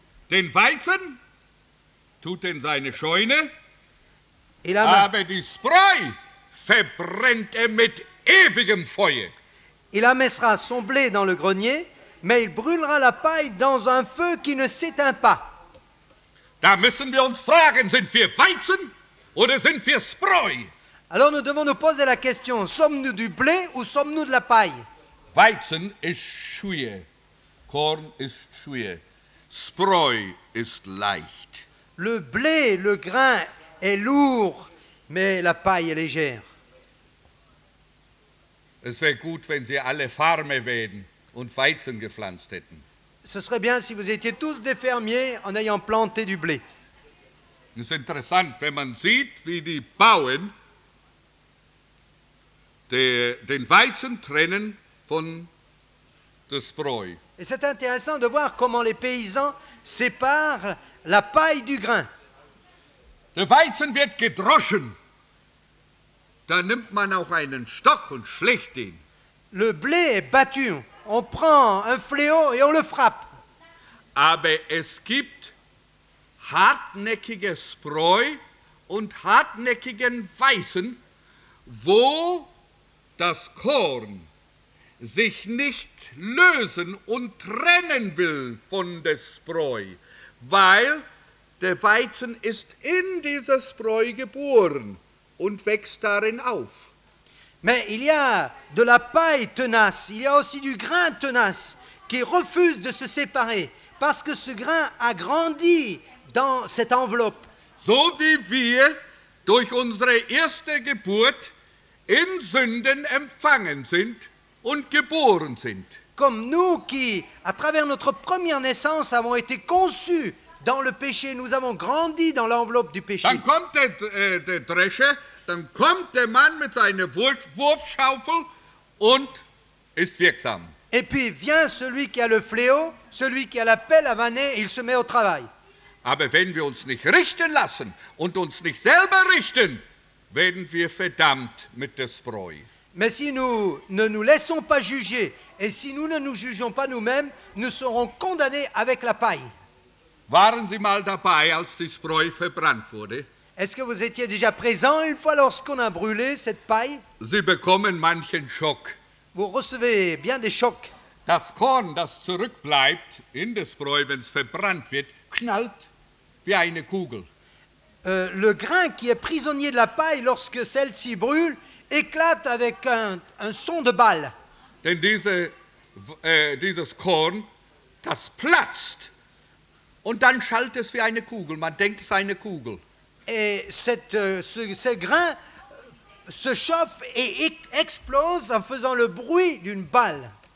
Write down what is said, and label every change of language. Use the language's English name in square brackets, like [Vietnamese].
[German] Den Weizen tut in seine Scheune, aber die Spreu verbrennt mit ewigem Feuer. [French] Il amassera son blé dans le grenier, mais il brûlera la paille dans un feu qui ne s'éteint pas. [German] Da müssen wir uns fragen, sind wir Weizen oder sind wir Spreu? [French] Alors nous devons nous poser la question, sommes-nous du blé ou sommes-nous de la paille? [German] Weizen ist schwer. Korn ist schwer. Spreu ist leicht. [French] Le blé, le grain est lourd, mais la paille est légère. [German] Es wäre gut, wenn sie alle Farme wären und Weizen gepflanzt hätten. [French] Ce serait bien si vous étiez tous des fermiers en ayant planté du blé. C'est intéressant, [German] wenn man sieht, wie die Bauern den Weizen trennen von der Spreu. [French] Et c'est intéressant de voir comment les paysans séparent la paille du grain. [German] Der Weizen wird gedroschen. Da nimmt man auch einen Stock und schlägt ihn. [French] Le blé est battu. On prend un fléau et on le frappe. [German] Aber es gibt hartnäckige Spreu und hartnäckigen Weizen, wo das Korn sich nicht lösen und trennen will von der Spreu, weil der Weizen ist in dieser Spreu geboren und wächst darin auf. [French] Mais il y a de la paille tenace, il y a aussi du grain tenace qui refuse de se séparer parce que ce grain a grandi dans cette enveloppe. [German] So wie wir durch unsere erste Geburt in Sünden empfangen sind und geboren sind. [French] Comme nous qui, à travers notre première naissance, avons été conçus dans le péché, nous avons grandi dans l'enveloppe du péché. [German] Dann kommt der Drescher, dann kommt der Mann mit seiner Wurfschaufel und ist wirksam. [French] Et puis vient celui qui a le fléau, celui qui a la pelle à vanner, il se met au travail. [German] Aber wenn wir uns nicht richten lassen und uns nicht selber richten, werden wir verdammt mit der Spreu. [French] Mais si nous ne nous laissons pas juger et si nous ne nous jugeons pas nous-mêmes, nous serons condamnés avec la paille. [German] Waren Sie mal dabei, als die Spreu verbrannt wurde? [French] Est-ce que vous étiez déjà présent une fois lorsqu'on a brûlé cette paille? [German] Sie bekommen manchen Schock. [French] Vous recevez bien des chocs. [German] Das Korn, das zurückbleibt in der Spreu, wenn es verbrannt wird, knallt wie eine Kugel. [French] Le grain qui est prisonnier de la paille lorsque celle-ci brûle éclate avec un son de balle. [German] Denn dieses Korn, das platzt. Und dann schallt es wie eine Kugel. Man denkt, es sei eine Kugel. [French] Et ce grain se chauffe et explose en faisant le bruit d'une balle.